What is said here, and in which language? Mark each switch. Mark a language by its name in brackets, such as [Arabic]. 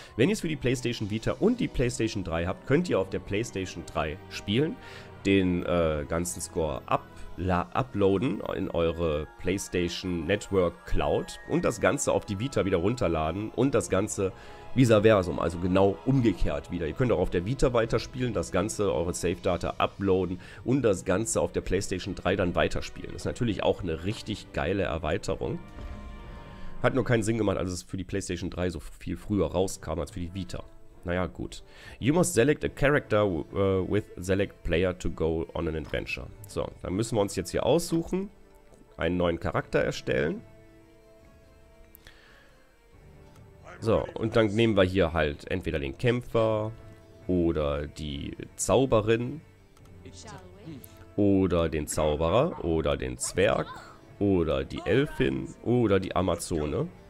[German] Wenn ihr es für die PlayStation Vita und die PlayStation 3 habt, könnt ihr auf der PlayStation 3 spielen, den ganzen Score uploaden in eure PlayStation Network Cloud und das Ganze auf die Vita wieder runterladen und das Ganze vice versa, also genau umgekehrt wieder. Ihr könnt auch auf der Vita weiterspielen, das Ganze, eure Save Data uploaden und das Ganze auf der PlayStation 3 dann weiterspielen. Das ist natürlich auch eine richtig geile Erweiterung. Hat nur keinen Sinn gemacht, als es für die PlayStation 3 so viel früher rauskam als für die Vita. Naja, gut. [English] You must select a character with select player to go on an adventure. [German] So, dann müssen wir uns jetzt hier aussuchen, einen neuen Charakter erstellen. So, und dann nehmen wir hier halt entweder den Kämpfer oder die Zauberin oder den Zwerg oder die Elfin oder die Amazone.